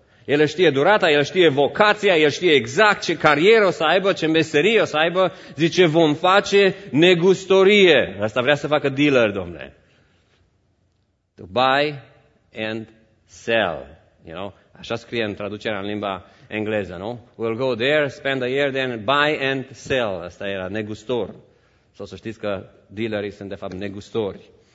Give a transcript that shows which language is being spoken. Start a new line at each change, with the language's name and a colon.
Romanian: El știe durata, el știe vocația, el știe exact ce carieră o să aibă, ce meserie o să aibă. Zice, vom face negustorie. Asta vrea să facă dealer, domnule.
English: To buy and sell. You know?
Romanian: Așa scrie în traducerea în limba engleză, nu?
English: We'll go there, spend a year, then buy and sell.
Romanian: Asta era negustor. Sau să știți că dealerii sunt, de fapt, negustori.